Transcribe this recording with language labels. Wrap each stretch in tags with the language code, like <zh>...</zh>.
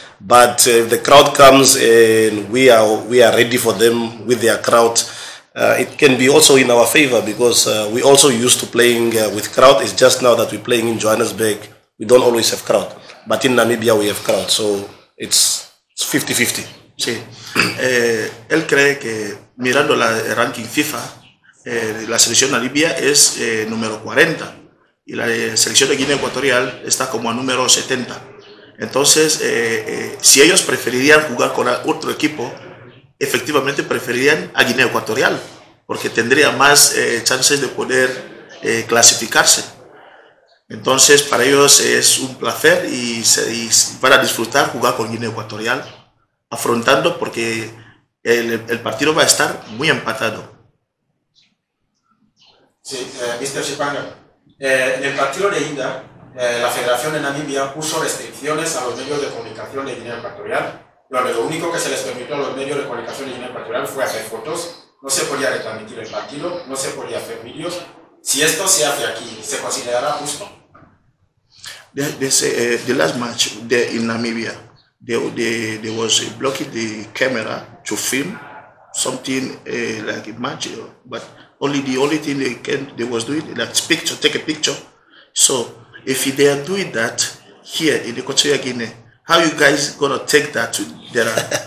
<en>But if the crowd comes and we are ready for them with their crowd, it can be also in our favor because we also used to playing with crowd. It's just now that we're playing in Johannesburg. We don't always have crowd, but in Namibia we have crowd. So it's 50-50.</en> <es>Sí. Él cree que mirando la ranking FIFA, la selección Namibia es número 40 y la selección de Guinea Ecuatorial está como a número 70. Entonces, si ellos preferirían jugar con otro equipo, efectivamente preferirían a Guinea Ecuatorial porque tendría más chances de poder clasificarse. Entonces para ellos es un placer y van a disfrutar jugar con Guinea Ecuatorial afrontando porque el partido va a estar muy empatado. Sí, Mr. Shipanga, en el partido de ida la Federación de Namibia puso restricciones a los medios de comunicación de Guinea Ecuatorial. Lo único que se les permitió a los medios de comunicación y en el particular fue hacer fotos. No se podía retransmitir el partido, no se podía hacer vídeos. Si esto se hace aquí, ¿se considerará justo?</es> <en>They say the last match there in Namibia, there was a blocking the camera to film something like a match, but the only thing they was doing like picture, take a picture. So if they are doing that here in the Equatorial Guinea, how you guys gonna take that?</en>